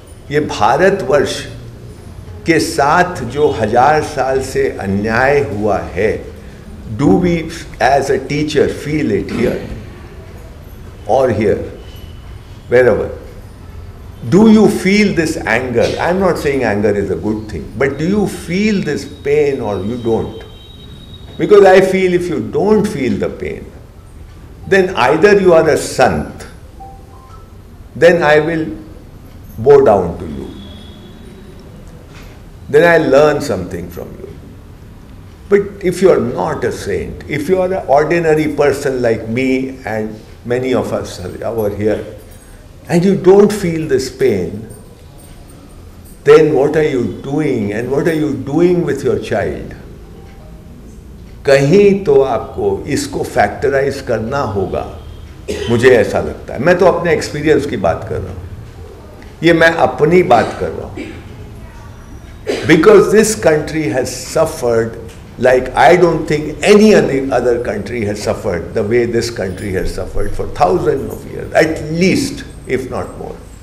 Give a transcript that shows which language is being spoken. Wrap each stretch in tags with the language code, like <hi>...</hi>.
<hi>ये भारतवर्ष के साथ जो हजार साल से अन्याय हुआ है,</hi> <en>Do we as a teacher feel it here or here wherever? Do you feel this anger? I am not saying anger is a good thing, but do you feel this pain or you don't? Because I feel if you don't feel the pain, then either you are a sant, then I will bow down to you, then I'll learn something from you. But if you are not a saint, if you are an ordinary person like me and many of us over here, and you don't feel this pain, then what are you doing, and what are you doing with your child?</en> <hi>कहीं तो आपको इसको factorise करना होगा, मुझे ऐसा लगता है. मैं तो अपने एक्सपीरियंस की बात कर रहा हूँ, ये मैं अपनी बात कर रहा हूँ.</hi> <en>Because this country has suffered like I don't think any other country has suffered the way this country has suffered for thousand of year at least if not more.</en>